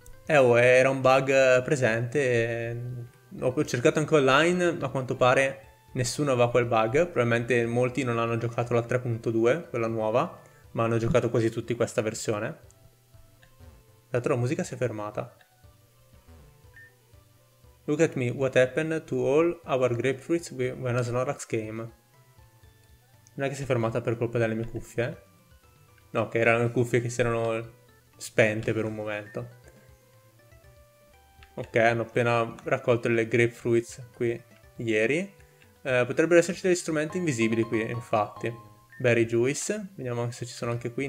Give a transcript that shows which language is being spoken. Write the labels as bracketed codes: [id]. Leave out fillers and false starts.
[it] Oh, era un bug presente. Ho cercato anche online, ma a quanto pare nessuno aveva quel bug. Probabilmente molti non hanno giocato la 3.2, quella nuova, ma hanno giocato quasi tutti questa versione. Tanto la musica si è fermata. [en] Look at me, what happened to all our grapefruits when a Snorlax came? [it] Non è che si è fermata per colpa delle mie cuffie. No, che erano le cuffie che si erano spente per un momento. Ok, hanno appena raccolto le grapefruits qui ieri. Potrebbero esserci degli strumenti invisibili qui, infatti. Berry juice, vediamo se ci sono anche qui.